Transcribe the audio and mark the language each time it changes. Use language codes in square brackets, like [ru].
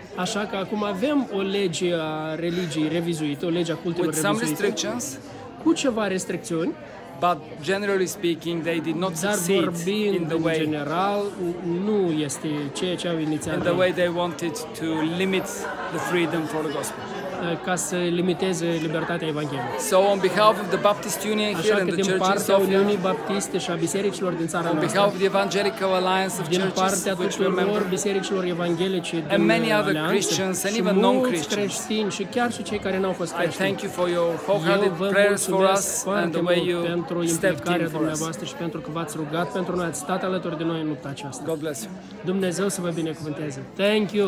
[ro] Așa că acum avem o lege a religiei revizuită, o lege a cultelor revizuită. [en] With some restrictions. [ro] Cu ceva restricțiuni. [en] But generally speaking, they did not succeed in the way. [ro] În general, nu este ceea ce au inițiat. [en] In the way they wanted to limit the freedom for the gospel. [ro] ca să limiteze libertatea evanghelică. [en] So on behalf of the Baptist Union here in the Church of Sofia, [ro] așa că din partea Uniunii Baptiste și a bisericilor din țara noastră, [en] on behalf of the Evangelical Alliance of Churches, [ro] din partea tuturor bisericilor evanghelice din [en] and many other Christians and even non-Christians, [ro] și mulți creștini și chiar și cei care n-au fost creștini, [en] I thank you for your wholehearted prayers for us and the way you [ro] pentru implicarea dumneavoastră și pentru că v-ați rugat pentru noi, ați stat alături de noi în lupta aceasta. [en] God bless you. [ro] Dumnezeu să vă binecuvânteze. [en] Thank you.